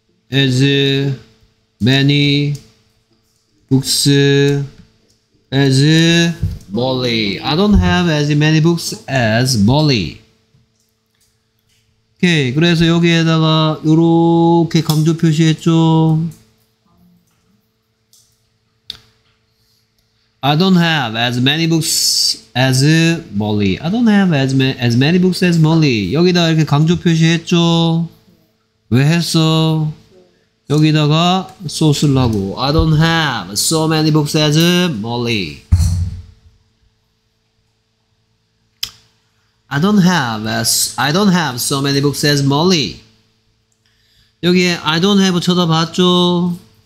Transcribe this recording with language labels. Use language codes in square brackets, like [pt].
[en] As many books as Molly. I don't have as many books as Molly. 오케이. [ko] 그래서 여기에다가 요렇게 강조 표시했죠. [en] I don't have as many books as Molly. I don't have as many books as Molly. [ko] 여기다 이렇게 강조 표시했죠. 왜 했어? 여기다가 so 쓰려고. [en] I don't have so many books as Molly. I don't have so many books as Molly. [ko] 여기에 [en] I don't have [ko] 쳐다봤죠?